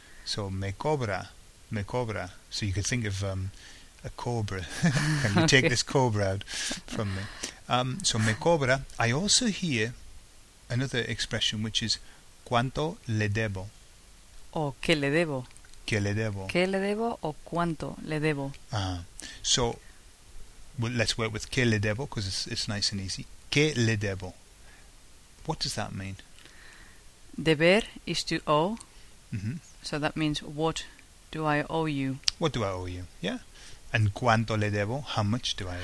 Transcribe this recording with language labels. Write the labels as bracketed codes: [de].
[es] So, me cobra. Me cobra. [en] So, you could think of a cobra. Can you take this cobra out from me? So, [es] me cobra. [en] I also hear another expression, which is, [es] ¿cuánto le debo? Oh, ¿qué le debo? ¿Qué le debo? ¿Qué le debo o cuánto le debo? [en] Ah. So, well, let's work with [es] ¿qué le debo? [en] Because it's nice and easy. [es] ¿Qué le debo? [en] What does that mean? Deber is to owe, mm-hmm. So that means what do I owe you? What do I owe you? Yeah. And [es] cuánto le debo? [en] How much do I owe you?